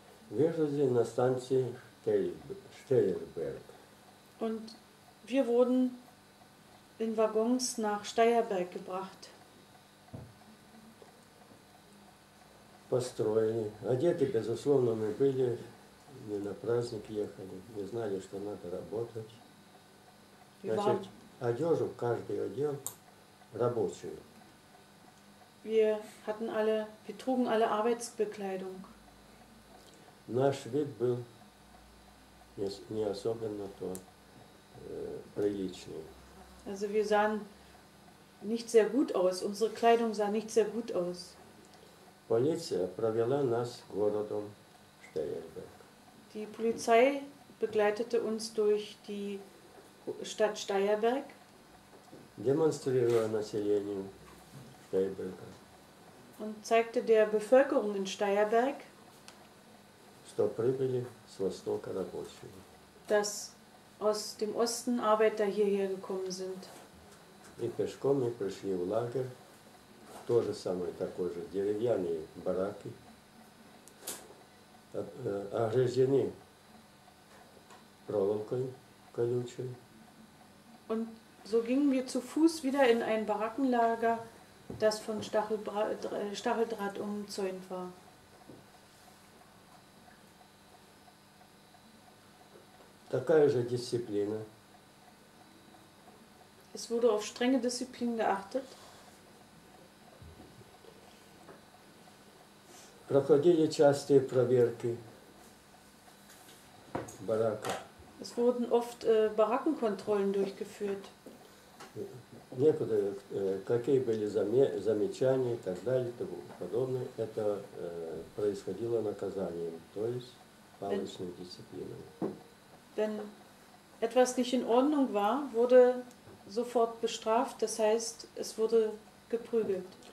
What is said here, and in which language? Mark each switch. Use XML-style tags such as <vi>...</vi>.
<de>Wir sind in der Station Steierberg. Und wir wurden in Waggons nach Steierberg gebracht.</de> <ru>Построили. Одеты, безусловно, мы были, не на праздник ехали, не знали, что надо работать. Значит, одежу каждый одел рабочую.</ru> <de>Wir trugen alle Arbeitsbekleidung.</de> <ru>Наш вид был не особенно то приличный.</ru> <de>Also wir sahen nicht sehr gut aus. Unsere Kleidung sah nicht sehr gut aus.</de> <ru>Полиция провела нас городом Штайерберг.</ru> <de>Die Polizei begleitete uns durch die Stadt Steierberg.</de> <ru>Демонстрируя населению Штайерберга.</ru> <de>Und zeigte der Bevölkerung in Steierberg,</de> <ru>что прибыли с востока рабочие.</ru> <de>Dass aus dem Osten Arbeiter hierher gekommen sind.</de> <ru>И пешком мы пришли в лагерь, то же самое, такое же, деревянные бараки, огрызены проволокой колючей.</ru> <de>Und so gingen wir zu Fuß wieder in ein Barackenlager, das von Stacheldraht umzäunt war.</de> <ru>Такая же дисциплина.</ru> <de>Es wurde auf strenge Disziplin geachtet.</de> <ru>Проходили частые проверки барака.</ru> <de>Es wurden oft Barackenkontrollen durchgeführt.</de> <ru>Некоторые, какие были замечания и так далее, тому подобное, это происходило наказанием, то есть палочной дисциплиной.</ru> <de>Wenn etwas nicht in Ordnung war, wurde sofort bestraft, das heißt, es wurde geprügelt.</de>